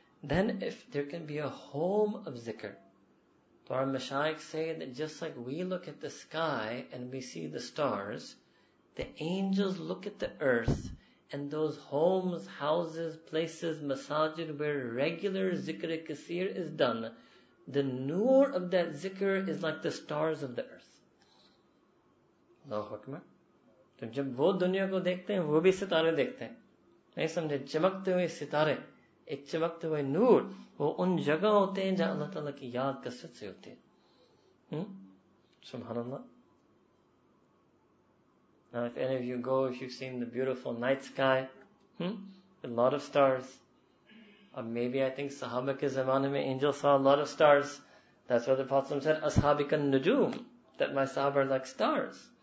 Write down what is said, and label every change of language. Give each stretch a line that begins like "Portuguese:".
English: Then if there can be a home of ذکر, our mashayikh say that just like we look at the sky and we see the stars, the angels look at the earth and those homes, houses, places, masajid where regular zikr-e-kaseer is done, the noor of that zikr is like the stars of the earth. Allahu Akbar. So when they see the world, they also see the stars. They understand,
Urdu: the chamakte hue sitare, ایک چمکتے ہوئے نور, وہ ان جگہ ہوتے ہیں جہاں اللہ تعالیٰ کی یاد کثرت سے ہوتی ہے. سبحان اللہ.
English: Now if any of you go, if you've seen the beautiful night sky, a lot of stars, or maybe I think
Urdu: صحابہ کے زمانے میں
English: angel saw a lot of stars. That's what the Prophet said,
Arabic: اصحابک النجوم,
English: that my sahaba are like stars.